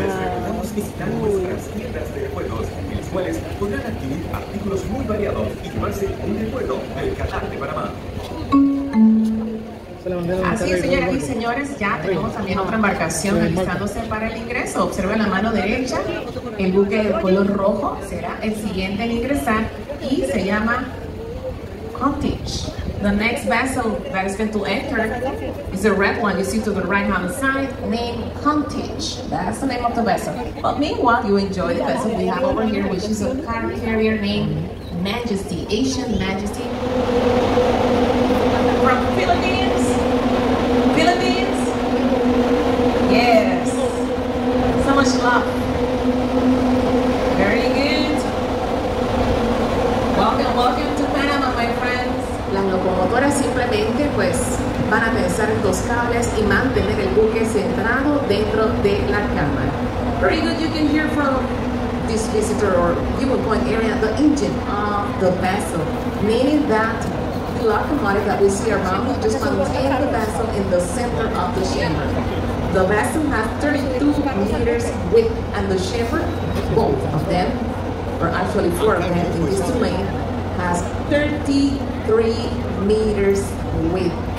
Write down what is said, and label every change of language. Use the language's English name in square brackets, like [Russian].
[Spanish] Les recordamos visitar nuestras tiendas de juegos, en las cuales podrán adquirir artículos muy variados y llevarse un recuerdo del canal de Panamá. Así es, señoras y señores, ya tenemos también otra embarcación realizándose para el ingreso. Observen la mano derecha, el buque de color rojo será el siguiente en ingresar y se llama Cottage. [English] The next vessel that is going to enter is the red one you see to the right hand side, named Cottage. That's the name of the vessel. But meanwhile, you enjoy the vessel we have over here, which is a car carrier named Majesty, Asian Majesty. From the Philippines. Philippines. Yes. So much love. Very good. Welcome, welcome to Panama, my friends. [Spanish] Las locomotoras simplemente pues van a tensar estos cables y mantener el buque centrado dentro de la cámara. [English] Very good, you can hear from this visitor or viewing point area the engine of the vessel, meaning that the locomotive that we see around will just maintain the vessel in the center of the chamber. The vessel has 32 meters width, and the chamber, both of them, or actually four of them in this domain, has 33 meters width.